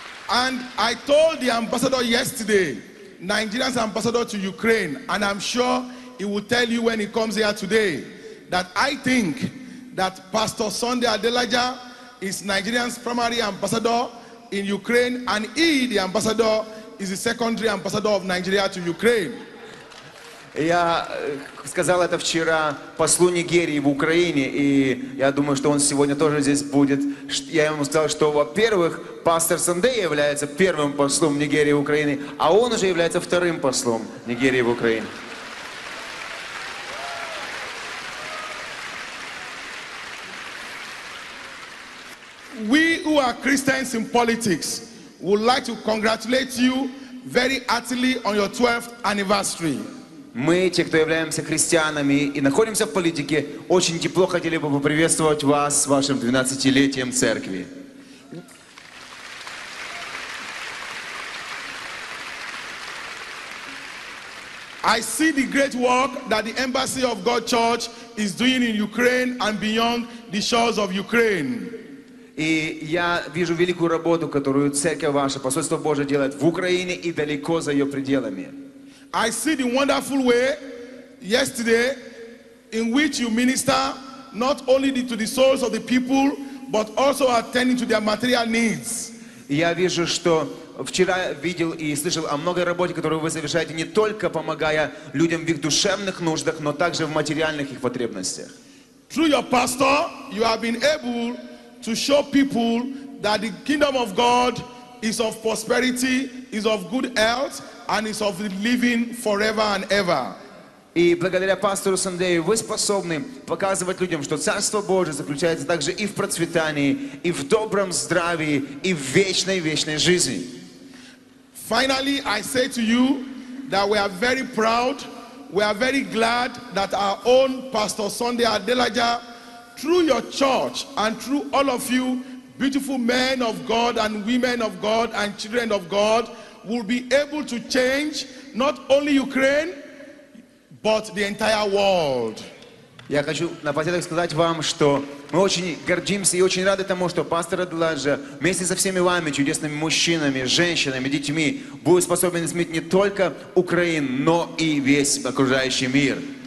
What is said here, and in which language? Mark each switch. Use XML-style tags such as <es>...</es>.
<en>And I told the ambassador yesterday, Nigeria's ambassador to Ukraine, and I'm sure he will tell you when he comes here today, that I think that Pastor Sunday Adelaja is Nigeria's primary ambassador in Ukraine, and he, the ambassador, is the secondary ambassador of Nigeria to Ukraine.</en> <ru>Я сказал это вчера послу Нигерии в Украине, и я думаю, что он сегодня тоже здесь будет. Я ему сказал, что, во-первых, пастор Сандей является первым послом Нигерии в Украине, а он уже является вторым послом Нигерии в Украине.</ru> <en>We who are Christians in politics would like to congratulate you very heartily on your 12th anniversary.</en> <ru>Мы, те, кто являемся христианами и находимся в политике, очень тепло хотели бы поприветствовать вас с вашим 12-летием церкви.</ru> <en>I see the great work that the Embassy of God Church is doing in Ukraine and beyond the shores of Ukraine.</en> <ru>И я вижу великую работу, которую церковь ваша, посольство Божие делает в Украине и далеко за ее пределами.</ru> <en>I see the wonderful way yesterday in which you minister not only to the souls of the people, but also attending to their material needs.</en> <ru>Я вижу, что вчера видел и слышал о многой работе, которую вы совершаете, не только помогая людям в их душевных нуждах, но также в материальных их потребностях.</ru> <en>Through your pastor, you have been able to show people that the kingdom of God is of prosperity, is of good health, and is of living forever and ever.</en> <ru>И благодаря пастору Сандею вы способны показывать людям, что Царство Божие заключается также и в процветании, и в добром здравии, и в вечной-вечной жизни.</ru> <en>Finally, I say to you that we are very proud, we are very glad that our own Pastor Sunday Adelaja, through your church and through all of you, beautiful men of God and women of God and children of God, will be able to change not only Ukraine, but the entire world.</en> <ru>Я хочу напоследок сказать вам, что мы очень гордимся и очень рады тому, что пастор Адаладжа вместе со всеми вами, чудесными мужчинами, женщинами, детьми, будет способен изменить не только Украину, но и весь окружающий мир.</ru>